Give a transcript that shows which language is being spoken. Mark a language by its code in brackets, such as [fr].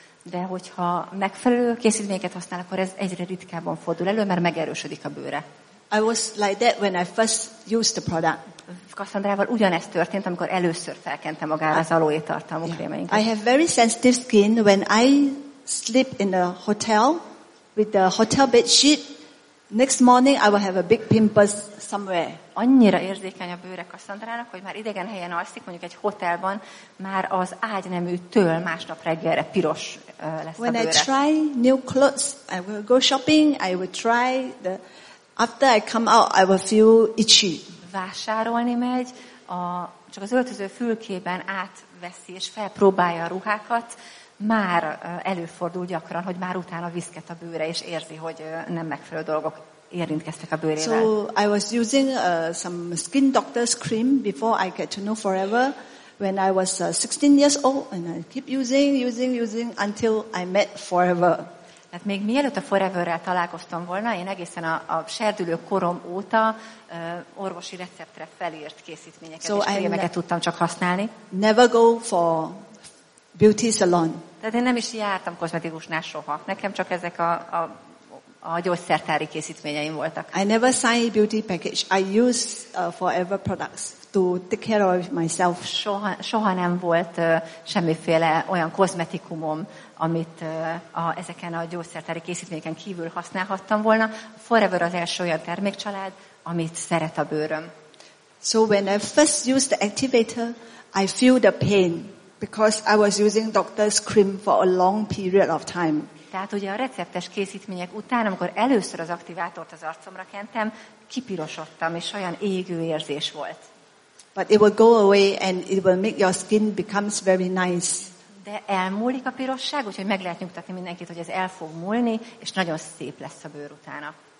[hu] De hogyha megfelelő készítményeket használ, akkor ez egyre ritkábban fordul elő, mert megerősödik a bőre. [en] I was like that when I first used the product. [hu] Kasszandrával ugyanezt történt, amikor először felkentem magára az aloe tartalmú krémeinket. [en] I have very sensitive skin. When I sleep in a hotel with the hotel bed sheet, next morning I will have a big pimples somewhere. [hu] Annyira érzékeny a bőre Kasszandrának, hogy már idegen helyen alszik, mondjuk egy hotelban, már az ágyneműtől másnap reggelre piros lesz [en] when [hu] a bőre. [en] When I try new clothes, I will go shopping, I will try the after I come out, I will feel itchy. [hu] Vásárolni megy, csak az öltöző fülkében átveszi és felpróbálja a ruhákat, már előfordul gyakran, hogy már utána viszket a bőre, és érzi, hogy nem megfelelő dolgok érintkeztek a bőrével. [en] So I was using some skin doctor's cream before I get to know forever when I was 16 years old, and I keep using until I met forever. [hu] Tehát még mielőtt a Foreverrel találkoztam volna, én egészen a serdülő korom óta orvosi receptre felírt készítményeket so és krémeket tudtam csak használni. [en] Never go for beauty salon. [hu] Tehát én nem is jártam kozmetikusnál soha. Nekem csak ezek a gyógyszertári készítményeim voltak. [en] I never sign beauty package. I use Forever products to take care of myself. [hu] Soha nem volt semmiféle olyan kozmetikumom, amit ezeken a gyógyszertári készítményeken kívül használhattam volna. Forever az első olyan termékcsalád, amit szeret a bőröm. [en] So when I first used the activator, I feel the pain because I was using doctor's cream for a long period of time. [hu] Tehát ugye a receptes készítmények után, amikor először az aktivátort az arcomra kentem, kipirosodtam, és olyan égő érzés volt. [en] But it will go away and it will make your skin becomes very nice. [hu] De elmúlik a pirosság, úgyhogy meg lehet nyugtatni mindenkit, hogy ez el fog múlni, és nagyon szép lesz a bőr utána.